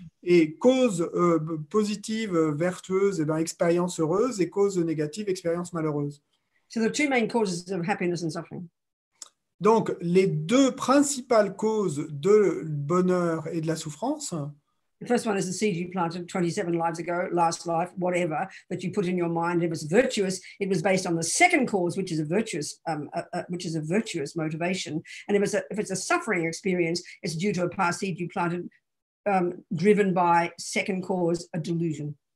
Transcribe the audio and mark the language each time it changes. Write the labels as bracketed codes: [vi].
[fr] Et causes positives, vertueuses, eh bien, expériences heureuses, et causes négatives, expériences malheureuses. [en] So the two main causes of happiness and suffering. [fr] Donc, les deux principales causes de bonheur et de la souffrance, [en] The first one is the seed you planted 27 lives ago, last life, whatever, that you put in your mind. It was virtuous. It was based on the second cause, which is a virtuous, which is a virtuous motivation. And if it's a suffering experience, it's due to a past seed you planted, driven by second cause, a delusion.